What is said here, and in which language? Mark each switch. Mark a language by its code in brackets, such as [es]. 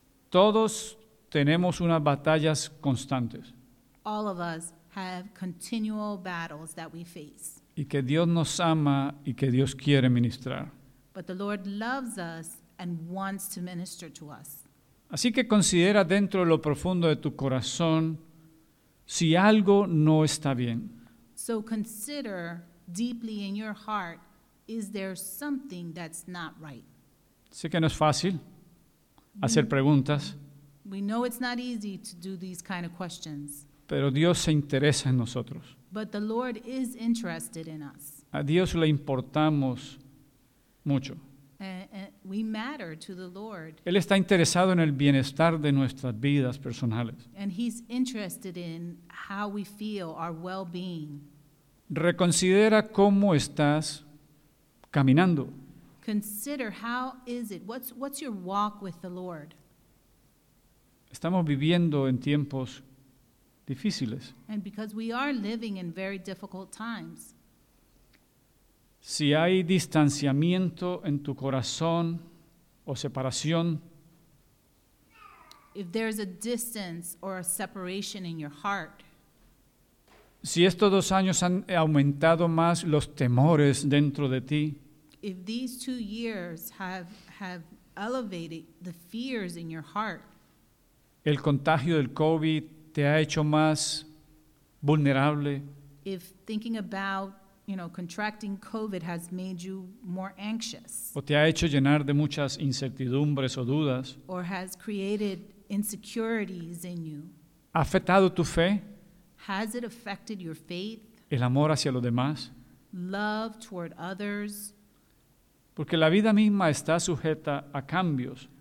[es] Todos tenemos unas batallas constantes. [en] All of us have continual battles that we face. [es] Y que Dios nos ama y que Dios quiere ministrar. [en] But the Lord loves us and wants to minister to us. [es] Así que considera dentro de lo profundo de tu corazón si algo no está bien. [en] So consider deeply in your heart, is there something that's not right? [es] Sé que no es fácil. Hacer preguntas. [en] We know it's not easy to do these kind of questions. [es] Pero Dios se interesa en nosotros. [en] But the Lord is interested in us. [es] A Dios le importamos mucho. [en] We matter to the Lord. [es] Él está interesado en el bienestar de nuestras vidas personales. [en] And he's interested in how we feel, our well-being. [es] Reconsidera cómo estás caminando. [en] Consider how is it? What's your walk with the Lord? [es] Estamos viviendo en tiempos difíciles. [en] And because we are living in very difficult times. [es] Si hay distanciamiento en tu corazón o separación. [en] If there's a distance or a separation in your heart. [es] Si estos 2 años han aumentado más los temores dentro de ti. [en] If these 2 years have elevated the fears in your heart, [es] el contagio del COVID te ha hecho más vulnerable. [en] If thinking about, you know, contracting COVID has made you more anxious, [es] o te ha hecho llenar de muchas incertidumbres o dudas, [en] or has created insecurities in you, [es] ha afectado tu fe, [en] has it affected your faith, [es] el amor hacia los demás, [en] love toward others. [es] Porque la vida misma está sujeta a cambios.